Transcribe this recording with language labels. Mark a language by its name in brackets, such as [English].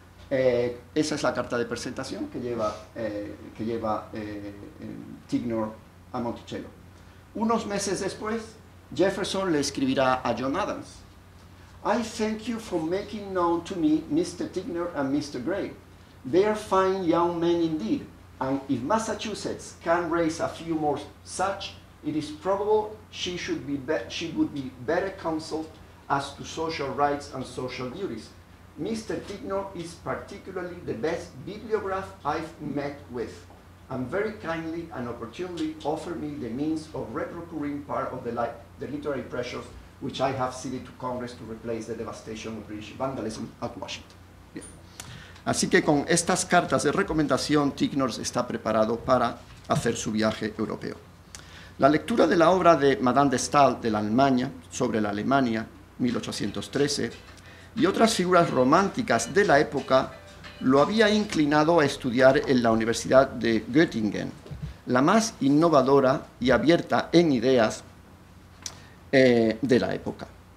[Spanish] Esa es la carta de presentación que lleva Ticknor a Monticello. Unos meses después, Jefferson le escribirá a John Adams: [English] "I thank you for making known to me Mr. Ticknor and Mr. Gray. They are fine young men indeed. And if Massachusetts can raise a few more such, it is probable she would be better counseled as to social rights and social duties. Mr. Ticknor is particularly the best bibliograph I've met with, and very kindly and opportunely offered me the means of reprocuring part of the literary pressures which I have ceded to Congress to replace the devastation of British vandalism at Washington. Yeah. [Spanish] Así que con estas cartas de recomendación, Ticknor está preparado para hacer su viaje europeo. La lectura de la obra de Madame de Stael de la Alemania sobre la Alemania, 1813, y otras figuras románticas de la época lo había inclinado a estudiar en la Universidad de Göttingen, la más innovadora y abierta en ideas de la época.